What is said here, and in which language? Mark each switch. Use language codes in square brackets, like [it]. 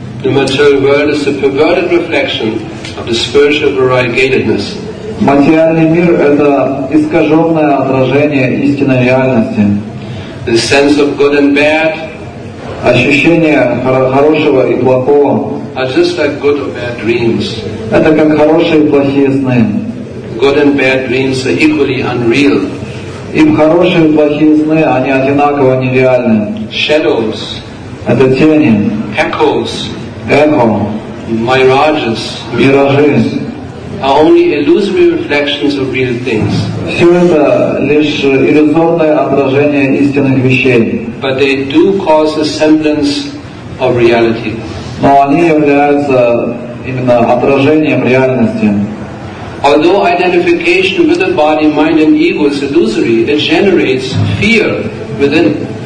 [en] The material world is a perverted reflection of the spiritual variegatedness. [ru] Материальный мир — это искаженное отражение истинной реальности. [en] The sense of good and bad. [ru] Ощущение хорошего и плохого. [en] Are just like good or bad dreams. [ru] Это как хорошие и плохие сны. [en] Good and bad dreams are equally unreal. [ru] Им хорошие и плохие сны, они одинаково нереальны. [en] Shadows. [ru] Это тени. [en] Echoes. [ru] Эхо. [en] Mirages. [ru] Миражи. [en] Are only illusory reflections of real things. [ru] Все это лишь иллюзорное отражение истинных вещей. [en] But they do cause a semblance of reality. [ru] Но они являются именно отражением реальности. [en] Although identification with the body, mind and ego is illusory, it generates fear within.